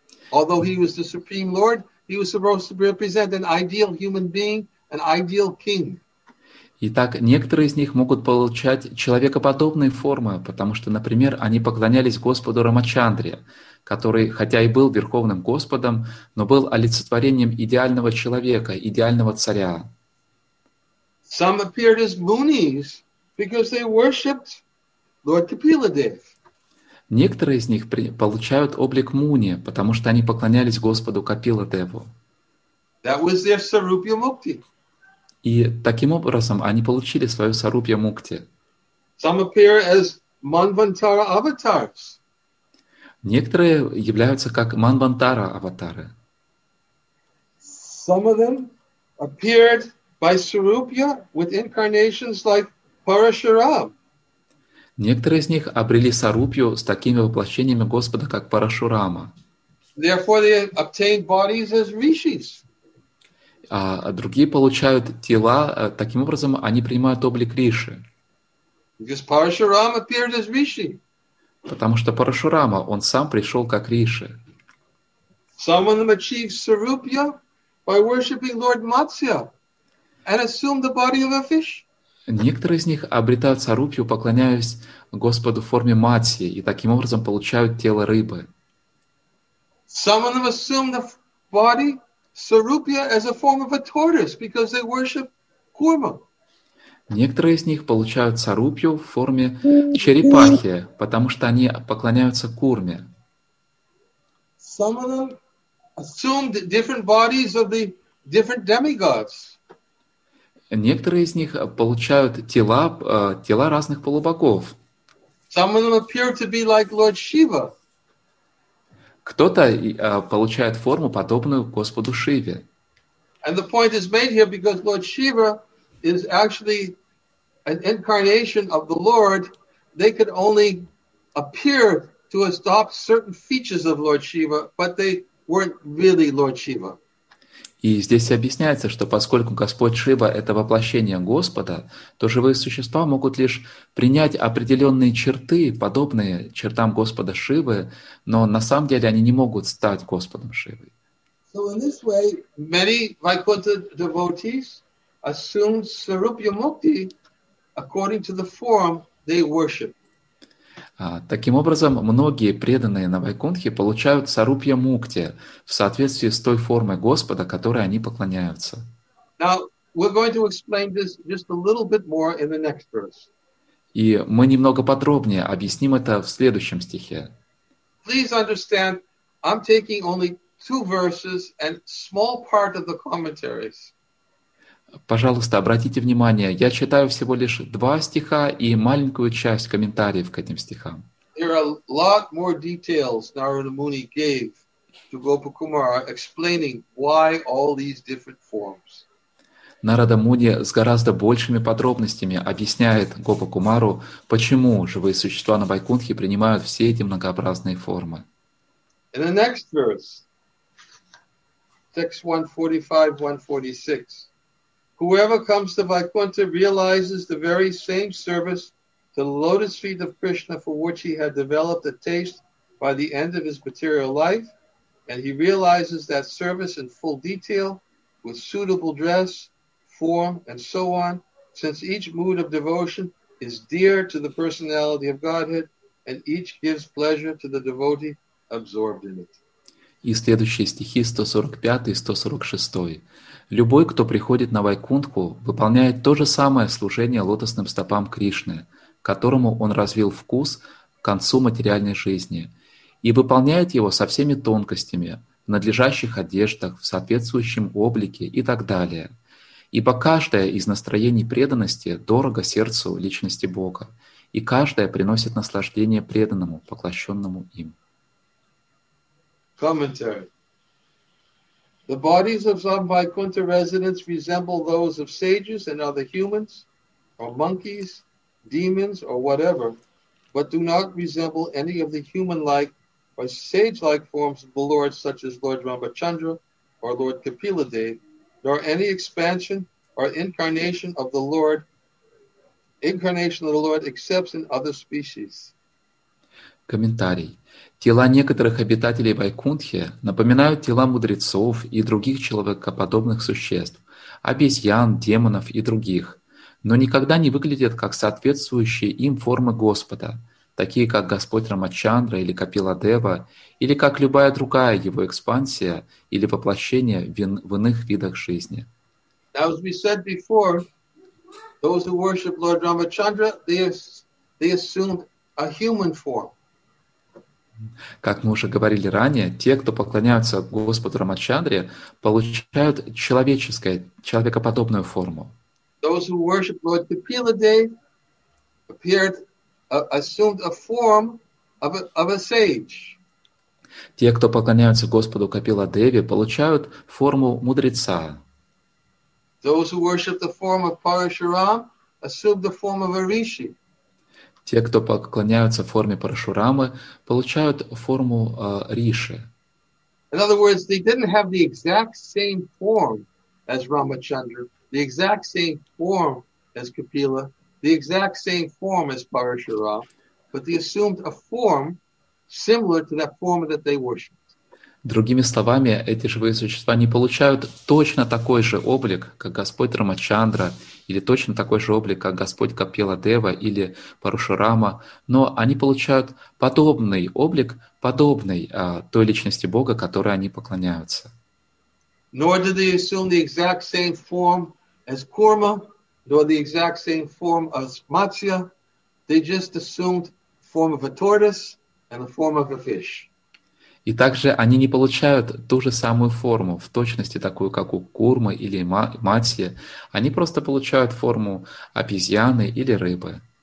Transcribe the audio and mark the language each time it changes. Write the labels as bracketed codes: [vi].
[en] Although he was the Supreme Lord, he was supposed to represent an ideal human being, an ideal king. [ru] Итак, некоторые из них могут получать человекоподобные формы, потому что, например, они поклонялись Господу Рамачандре, который, хотя и был Верховным Господом, но был олицетворением идеального человека, идеального царя. [en] Some appeared as munis because they worshipped Lord Kapiladev. [ru] Некоторые из них получают облик муни, потому что они поклонялись Господу Капиладеву. [en] That was their Sarupya Mukti. [ru] И таким образом они получили свою Сарупья Мукти. [en] Some appear as Manvantara avatars. [ru] Некоторые являются как Манвантара аватары. [en] Some of them appeared by Sarupya with incarnations like Parashuram. [ru] Некоторые из них обрели Сарупью с такими воплощениями Господа, как Парашурама. [en] Therefore they obtained bodies as rishis. [ru] А другие получают тела, таким образом они принимают облик риши. [en] Because Parashurama appeared as rishi. [ru] Потому что Парашурама, он сам пришел как риши. [en] Some of them achieved Sarupya by worshipping Lord Matsya and assumed the body of a fish. [ru] Некоторые из них обретают сарупью, поклоняясь Господу в форме матси, и таким образом получают тело рыбы. [en] Some of them assume the body sarupya as a form of a tortoise because they worship Kurma. [ru] Некоторые из них получают сарупью в форме черепахи, потому что они поклоняются Курме. [en] Some of them assume different bodies of the different demigods. [ru] Некоторые из них получают тела разных полубогов. [en] Some of them appear to be like Lord Shiva. [ru] Кто-то получает форму, подобную Господу Шиве. [en] And the point is made here because Lord Shiva is actually an incarnation of the Lord. They could only appear to adopt certain features of Lord Shiva, but they weren't really Lord Shiva. [ru] И здесь объясняется, что поскольку Господь Шива — это воплощение Господа, то живые существа могут лишь принять определенные черты, подобные чертам Господа Шивы, но на самом деле они не могут стать Господом Шивы. [en] So in this way, many Vaikuntha devotees assume Sarupya Mukti according to the form they worship. [ru] Таким образом, многие преданные на Вайкунтхе получают сарупья мукти в соответствии с той формой Господа, которой они поклоняются. [en] Now, we're going to explain this just a little bit more in the next verse. [ru] И мы немного подробнее объясним это в следующем стихе. [en] Please understand, I'm taking only two verses and small part of the commentaries. [ru] Пожалуйста, обратите внимание, я читаю всего лишь два стиха и маленькую часть комментариев к этим стихам. [en] There are a lot more details Narada Muni gave to Gopa Kumara explaining why all these different forms. [ru] Нарада Муни с гораздо большими подробностями объясняет Гопа Кумару, почему живые существа на Вайкунтхе принимают все эти многообразные формы. [en] In the next verse, text 145-146, whoever comes to Vaikuntha realizes the very same service to the lotus feet of Krishna for which he had developed a taste by the end of his material life, and he realizes that service in full detail with suitable dress, form, and so on, since each mood of devotion is dear to the personality of Godhead, and each gives pleasure to the devotee absorbed in it. [ru] И следующие стихи 145 и 146. Любой, кто приходит на Вайкунтху, выполняет то же самое служение лотосным стопам Кришны, которому он развил вкус к концу материальной жизни, и выполняет его со всеми тонкостями, в надлежащих одеждах, в соответствующем облике и так далее. Ибо каждое из настроений преданности дорого сердцу личности Бога, и каждое приносит наслаждение преданному, поглощенному им. [en] Commentary. The bodies of some Vaikuntha residents resemble those of sages and other humans, or monkeys, demons, or whatever, but do not resemble any of the human-like or sage-like forms of the Lord, such as Lord Ramachandra or Lord Kapiladeva, nor any expansion or incarnation of the Lord except in other species. [ru] Комментарий. Тела некоторых обитателей Вайкунтхи напоминают тела мудрецов и других человекоподобных существ, обезьян, демонов и других, но никогда не выглядят как соответствующие им формы Господа, такие как Господь Рамачандра или Капиладева, или как любая другая его экспансия или воплощение в иных видах жизни. [en] Now, as we said before, those who worship Lord Ramachandra, they assumed a human form. [ru] Как мы уже говорили ранее, те, кто поклоняются Господу Рамачандре, получают человеческую, человекоподобную форму. [en] Those who worship Lord Kapiladeva assumed a form of a sage. [ru] Те, кто поклоняются Господу Капиладеве, получают форму мудреца. [en] Those who worship the form of Parashuram assumed the form of a rishi. [ru] Те, кто поклоняются форме Парашурамы, получают форму риши. [en] In other words, they didn't have the exact same form as Ramachandra, the exact same form as Kapila, the exact same form as Parashuram, but they assumed a form similar to that form that they worshipped. [ru] Другими словами, эти живые существа не получают точно такой же облик, как Господь Рамачандра, или точно такой же облик, как Господь Капиладева или Парашурама, но они получают подобный облик, подобный той личности Бога, которой они поклоняются. [en] Nor do they assume the exact same form as Kurma, nor the exact same form as Matsya. They just assumed form of a tortoise and the form of a fish. [ru] И также они не получают ту же самую форму, в точности такую, как у Курмы или Матсьи. Они просто получают форму обезьяны или рыбы.